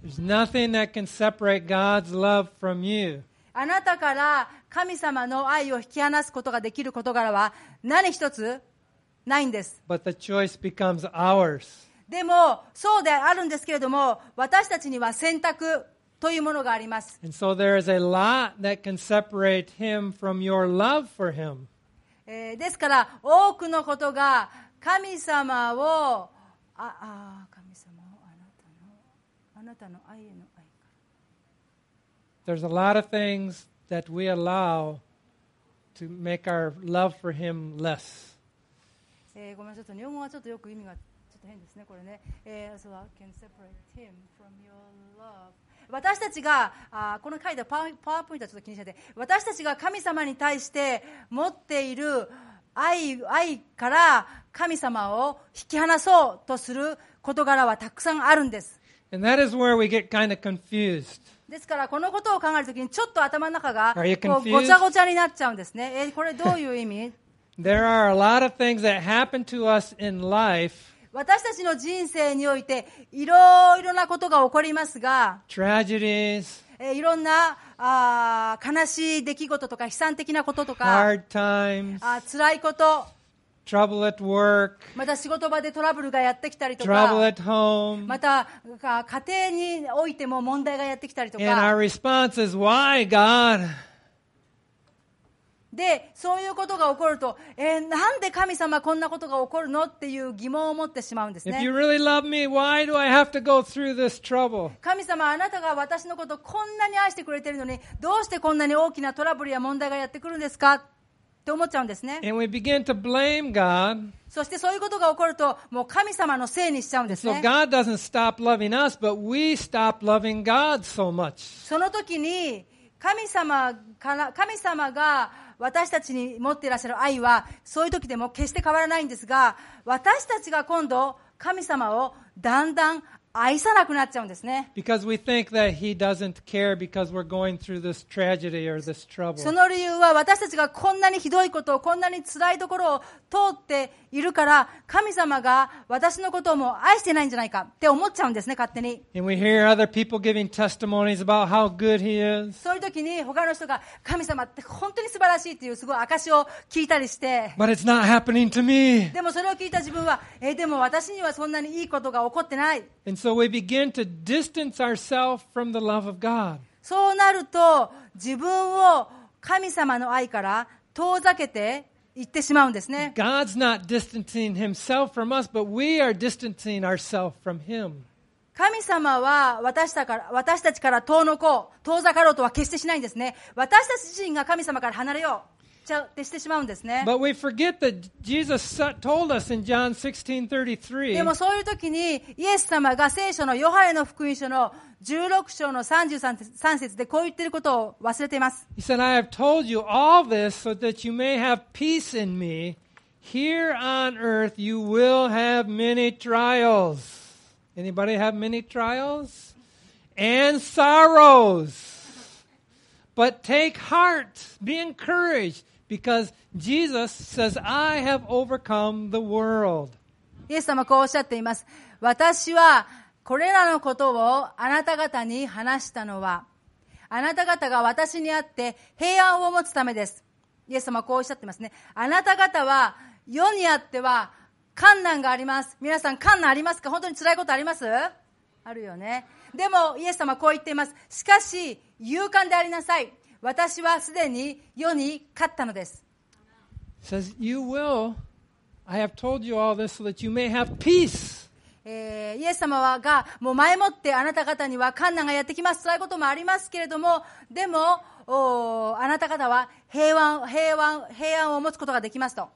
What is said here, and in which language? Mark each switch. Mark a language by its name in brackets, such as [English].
[English] There's nothing that can separate God's love from you. [Japanese] あなたから神様の愛を引き離すことができる事柄は何一つないんです。 [English] But the choice becomes ours. [Japanese] でもそうであるんですけれども私たちには選択というものがあります。 [English] And so there is a lot that can separate him from your love for him. [Japanese] ですから多くのことが神様を神様をあなたの愛への。 [English] There's a lot of things that we allow to make our love for Him less. [Japanese] ごめん、ちょっと日本語はちょっとよく意味がちょっと変ですね、これね。 [English] So I can separate Him from your love. [Japanese] 私たちが、この書いたパワーポイントはちょっと気にしないで、私たちが神様に対して持っている愛から神様を引き離そうとする事柄はたくさんあるんです。 [English] And that is where we get kind of confused. [Japanese] ですからこのことを考えるときにちょっと頭の中がごちゃごちゃになっちゃうんですね。これどういう意味？ [English] There are a lot of things that happen to us in life. [Japanese] 私たちの人生においていろいろなことが起こりますが、 [English] tragedies. [Japanese] いろんな悲しい出来事とか悲惨的なこととか、 [English] hard times. [Japanese] 辛いこと、 [English] trouble at work. [Japanese] また仕事場でトラブルがやってきたりとか、 [English] trouble at home. [Japanese] また家庭においても問題がやってきたりとか、 [English] and our response is why God. [Japanese] でそういうことが起こると、なんで神様こんなことが起こるのっていう疑問を持ってしまうんですね。 [English] If you really love me, why do I have to go through this trouble? [Japanese] 神様あなたが私のことこんなに愛してくれてるのに、どうしてこんなに大きなトラブルや問題がやってくるんですか。思っちゃうんですね。 [English] And we begin to blame God. [Japanese] そしてそういうことが起こると、もう神様のせいにしちゃうんですね。 [English] So God doesn't stop loving us, but we stop loving God so much. [Japanese] その時に神様が私たちに持っていらっしゃる愛はそういう時でも決して変わらないんですが、私たちが今度神様をだんだん愛さなくなっちゃうんですね。 [English] Because we think that he doesn't care because we're going through this tragedy or this trouble. [Japanese] その理由は私たちがこんなにひどいことを、こんなに辛いところを通っているから、神様が私のことをもう愛してないんじゃないかって思っちゃうんですね、勝手に。 [English] And we hear other people giving testimonies about how good he is. [Japanese] そういう時に他の人が神様って本当に素晴らしいっていうすごい証を聞いたりして。 [English] But it's not happening to me. [Japanese] でもそれを聞いた自分は、でも私にはそんなにいいことが起こってない。 [English] And so we begin to distance ourselves from the love of God. [Japanese] そうなると自分を神様の愛から遠ざけて行ってしまうんですね。 [English] God's not distancing himself from us, but we are distancing ourselves from him. [Japanese] 神様は私たちから遠のこう、遠ざかろうとは決してしないんですね。私たち自身が神様から離れようってしてしまうんですね。 [English] But we forget that Jesus told us in John 16:33. [Japanese] でもそういう時にイエス様が聖書のヨハネの福音書の16章の33節でこう言ってることを忘れています。 [English] He said, "I have told you all this so that you may have peace in me. Here on earth you will have many trials. Anybody have many trials and sorrows?" But take heart, be encouraged, because Jesus says, I have overcome the world. [Japanese] イエス様はこうおっしゃっています。私はこれらのことをあなた方に話したのは、あなた方が私にあって平安を持つためです。イエス様はこうおっしゃっていますね。あなた方は世にあっては困難があります。皆さん困難ありますか？本当に辛いことあります？あるよね。でもイエス様はこう言っています。しかし勇敢でありなさい、私はすでに世に勝ったのです。 [English] says, you will. I have told you all this so that you may have peace. [Japanese] イエス様はがもう前もってあなた方には困難がやってきます、辛いこともありますけれども、でもあなた方は平安を持つことができますと。